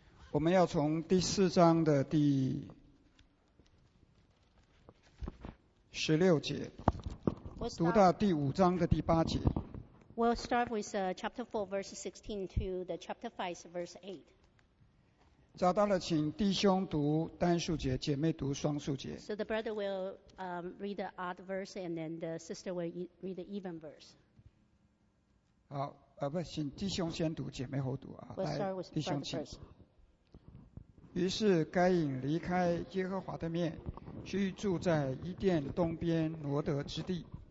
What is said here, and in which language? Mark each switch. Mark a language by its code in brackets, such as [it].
[zh] 我们要从第四章的第十六节，读到第五章的第八节。 [en] We'll start with chapter 4, verse 16 to the chapter 5, verse 8. [zh] 找到了，请弟兄读单数节，姐妹读双数节。 [en] So the brother will read the odd verse, and then the sister will read the even verse. [zh] 好，不，请弟兄先读，姐妹后读啊。 [en] We'll start with the brother first. [zh] 于是该隐离开耶和华的面，去住在伊甸东边挪得之地。